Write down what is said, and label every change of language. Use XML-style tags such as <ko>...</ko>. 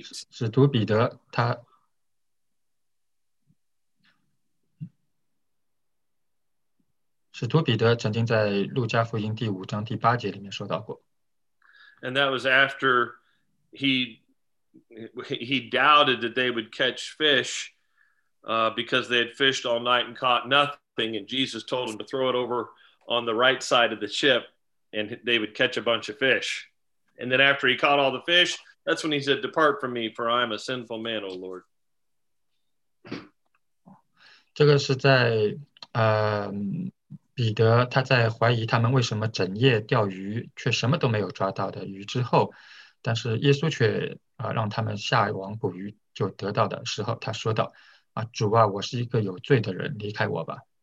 <zh>使徒彼得他使徒彼得曾经在路加福音5:8里面说到过。</zh> <en>And that was after he doubted that they would catch fish because they had fished all night and caught nothing, and Jesus told them to throw it over on the right side of the ship and they would catch a bunch of fish. And then after he caught all the fish, that's when he said, Depart from me, for I am a sinful man, O Lord.</en> <zh>这个是在彼得他在怀疑他们为什么整夜钓鱼却什么都没有抓到的鱼之后，但是耶稣却让他们下网捕鱼就得到的时候，他说道主啊，我是一个有罪的人，离开我吧。</zh>